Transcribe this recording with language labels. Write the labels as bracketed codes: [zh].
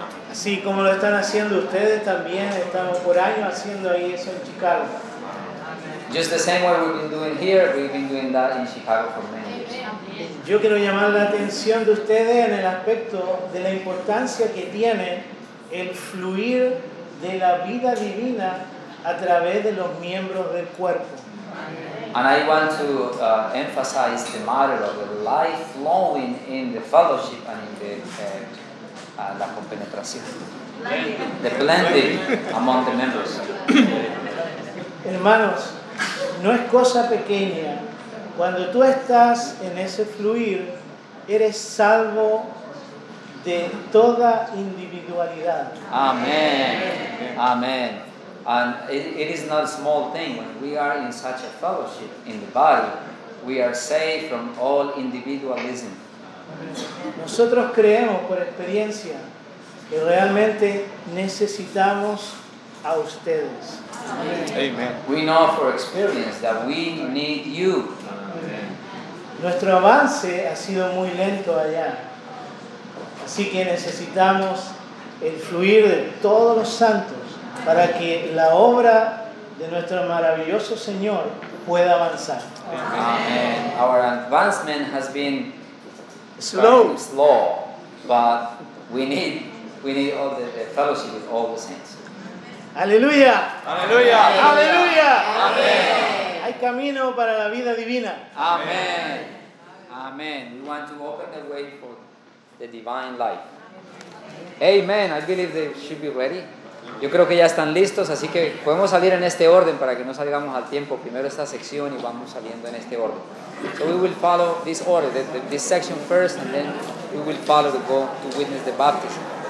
[es] Así como lo están haciendo ustedes también, estamos por años haciendo ahí eso en Chicago. [en] Just the same way we've been doing here, we've been doing that in Chicago for many years. [es] Yo quiero llamar la atención de ustedes en el aspecto de la importancia que tiene el fluir de la vida divina a través de los miembros del cuerpo. [en] And I want to emphasize the matter of the life flowing in the fellowship and in the [es] la compenetración. [en] The blending among the members. [es] Hermanos, no es cosa pequeña. Cuando tú estás en ese fluir, eres salvo de toda individualidad. [en] Amen. Amen. And it is not a small thing. When we are in such a fellowship in the body, we are saved from all individualism. [es] Nosotros creemos por experiencia que realmente necesitamos a ustedes. Amen. [en] We know for experience that we need you. [es] Nuestro avance ha sido muy lento allá, así que necesitamos el fluir de todos los santos para que la obra de nuestro maravilloso Señor pueda avanzar. [en] Amen. Our advancement has been slow, but we need all the fellowship with all the saints. [es] Aleluya. Aleluya. Aleluya. Amén. Hay camino para la vida divina. Amén. Amén. [en] We want to open the way for the divine life. Amen. I believe they should be ready. [es] Yo creo que ya están listos, así que podemos salir en este orden para que no salgamos al tiempo. Primero esta sección y vamos saliendo en este orden. [en] So we will follow this order, this section first, and then we will follow to go to witness the baptism.